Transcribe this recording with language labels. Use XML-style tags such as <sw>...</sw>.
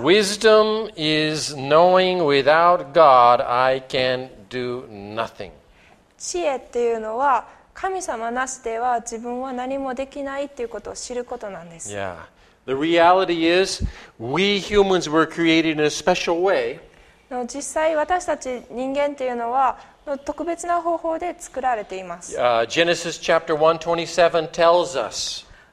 <en>Wisdom is knowing without God, I can do nothing.</en> <ja>知恵っていうのは神様なしでは自分は何もできないっていうことを知ることなんです。 Yeah.</ja> <en>The reality is, we humans were created in a special way.</en> <ja>の実際私たち人間っていうのは特別な方法で作られています。</ja> <en>Genesis chapter 127 tells us.</en>